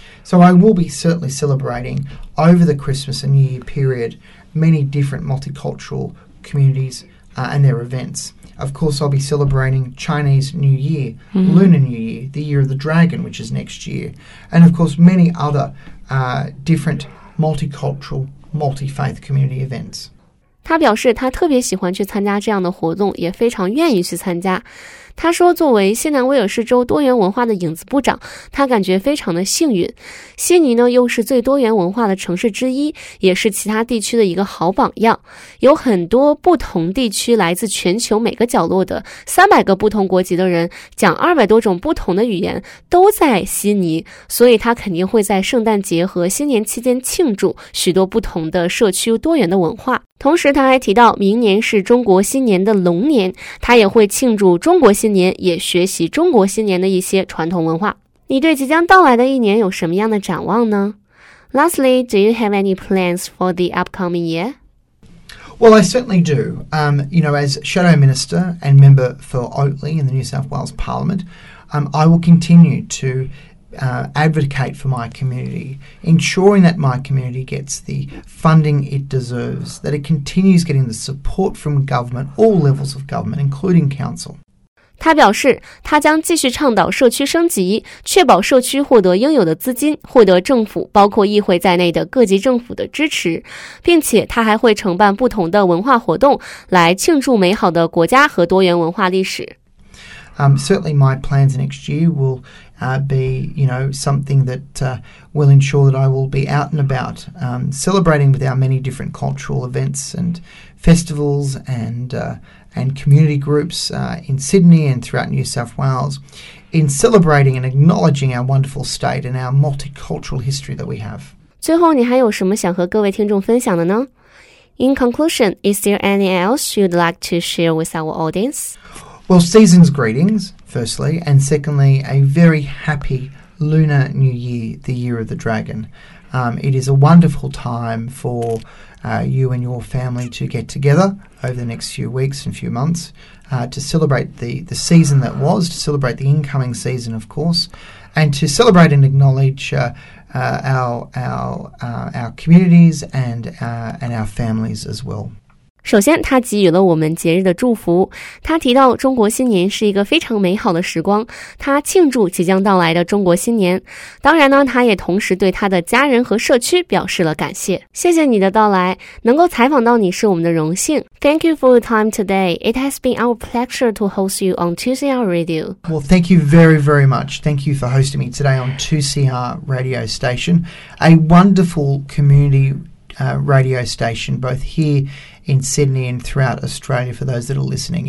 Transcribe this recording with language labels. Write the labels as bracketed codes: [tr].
[en] So I will be certainly celebrating over the Christmas and New Year period many different multicultural communities, and their events. Of course, I'll be celebrating Chinese New Year, Lunar New Year, the Year of the Dragon, which is next year, and of course many other different multicultural multi-faith community events. [zh] 他表示他特别喜欢去参加这样的活动，也非常愿意去参加。他说作为新南威尔士州多元文化的影子部长，他感觉非常的幸运。悉尼呢又是最多元文化的城市之一，也是其他地区的一个好榜样。有很多不同地区来自全球每个角落的300个不同国籍的人，讲200多种不同的语言，都在悉尼，所以他肯定会在圣诞节和新年期间庆祝许多不同的社区多元的文化。同时他还提到明年是中国新年的龙年，他也会庆祝中国新年，也学习中国新年的一些传统文化。你对即将到来的一年有什么样的展望呢？ [en] Lastly, do you have any plans for the upcoming year? Well, I certainly do. You know, as Shadow Minister and Member for Oatley in the New South Wales Parliament, I will continue to advocate for my community, ensuring that my community gets the funding it deserves, that it continues getting the support from government, all levels of government, including council. [zh] 他表示他将继续倡导社区升级，确保社区获得应有的资金，获得政府包括议会在内的各级政府的支持，并且他还会承办不同的文化活动来庆祝美好的国家和多元文化历史。 [en] Certainly my plans next year will be, you know, something that will ensure that I will be out and about celebrating with our many different cultural events and festivals and community groups in Sydney and throughout New South Wales, in celebrating and acknowledging our wonderful state and our multicultural history that we have. [zh] 最后你还有什么想和各位听众分享的呢？ [en] In conclusion, is there anything else you'd like to share with our audience? Well, season's greetings, firstly, and secondly, a very happy Lunar New Year, the Year of the Dragon. It is a wonderful time for you and your family to get together over the next few weeks and few months to celebrate the season that was, to celebrate the incoming season, of course, and to celebrate and acknowledge our communities and our families as well. [zh] 首先他给予了我们节日的祝福，他提到中国新年是一个非常美好的时光，他庆祝即将到来的中国新年，当然呢，他也同时对他的家人和社区表示了感谢。谢谢你的到来，能够采访到你是我们的荣幸。 [en] Thank you for your time today. It has been our pleasure to host you on 2CR Radio. Well, thank you very, very much. Thank you for hosting me today on 2CR Radio Station, a wonderful communityradio station, both here in Sydney and throughout Australia for those that are listening.